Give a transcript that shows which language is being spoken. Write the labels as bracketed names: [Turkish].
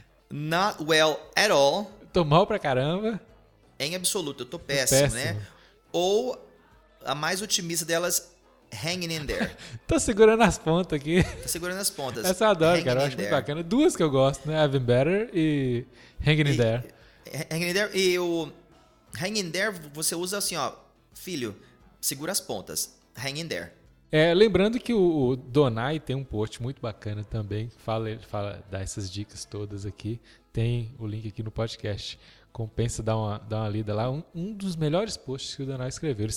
[English] Not well at all. [Portuguese] Tô mal pra caramba. Em absoluto, eu tô péssimo, péssimo, né? Ou a mais otimista delas, [English] hanging in there. [Portuguese] Tô segurando as pontas aqui. Tô segurando as pontas. Essa eu adoro, hanging, cara. Eu acho muito bacana. Duas que eu gosto, né? [English] I've been better e hanging in there. Hanging in there. [Portuguese] E o [English] hanging in there, [Portuguese] você usa assim, ó. Filho, segura as pontas. [English] Hanging in there. [Portuguese] É, lembrando que o Donai tem um post muito bacana também, fala, dá essas dicas todas aqui, tem o link aqui no podcast, compensa dar uma lida lá, um dos melhores posts que o Donai escreveu.